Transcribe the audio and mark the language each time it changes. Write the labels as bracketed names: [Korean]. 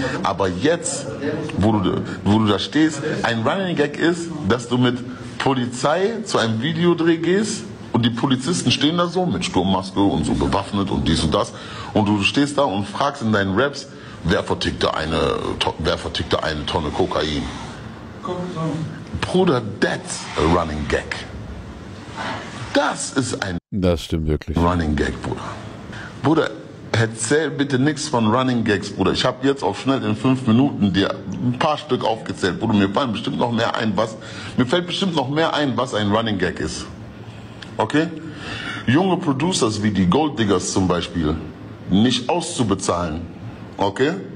[German] Aber jetzt, wo du da stehst, ein Running Gag ist, dass du mit Polizei zu einem Videodreh gehst. Und die Polizisten stehen da so mit Sturmmaske und so bewaffnet und dies und das. Und du stehst da und fragst in deinen Raps, wer vertickte eine Tonne Kokain? Bruder, [English] that's a running gag. [German] Das stimmt wirklich. Running Gag, Bruder. Bruder, erzähl bitte nichts von Running Gags, Bruder. Ich habe jetzt auch schnell in 5 Minuten dir ein paar Stück aufgezählt. Bruder, mir fällt bestimmt noch mehr ein, was ein Running Gag ist. Okay? Junge Producers wie die Gold Diggers zum Beispiel nicht auszubezahlen, okay?